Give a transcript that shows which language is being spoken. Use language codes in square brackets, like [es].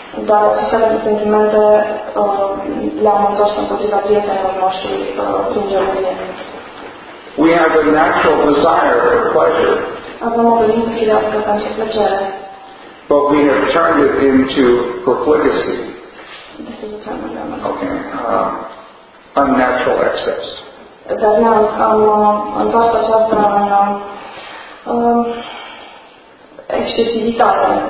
[ro] Dar aceste sentimente le-am întors împotriva prietenilor noștri prin gelozie. [en] We have a natural desire for pleasure. [ro] Avem o dorință firească pentru plăcere. [en] But we have turned it into profligacy. This is a term I don't know. Okay. Unnatural excess. [ro] Dar nu, am întors aceasta în excesivitate.